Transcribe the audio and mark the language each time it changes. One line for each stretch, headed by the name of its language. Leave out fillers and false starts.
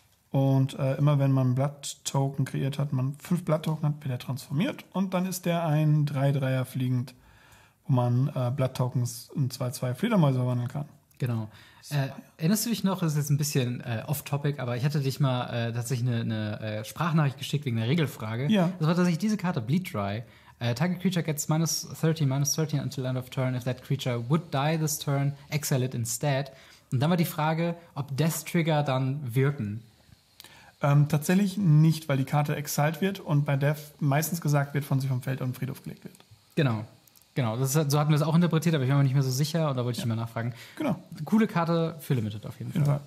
German: Und immer wenn man Blood Token kreiert hat, man 5 Blood Token hat, wird er transformiert und dann ist der ein 3-3er fliegend, wo man Blood Tokens in 2-2 Fledermäuse verwandeln kann. Genau. Erinnerst du dich noch, das ist jetzt ein bisschen off-topic, aber ich hatte dich mal tatsächlich eine Sprachnachricht geschickt wegen einer Regelfrage. Ja. Das war tatsächlich diese Karte, Bleed Dry.
English: Target creature gets -30/-30 until end of turn. If that creature would die this turn, exile it instead.
German: Und dann war die Frage, ob Death Trigger dann wirken. Tatsächlich nicht, weil die Karte exiled wird und bei Death meistens gesagt wird, von sich vom Feld und Friedhof gelegt wird. Genau. Genau, das ist, so hatten wir es auch interpretiert, aber ich war mir nicht mehr so sicher und da wollte ich mal nachfragen. Genau. Coole Karte für Limited auf jeden Fall.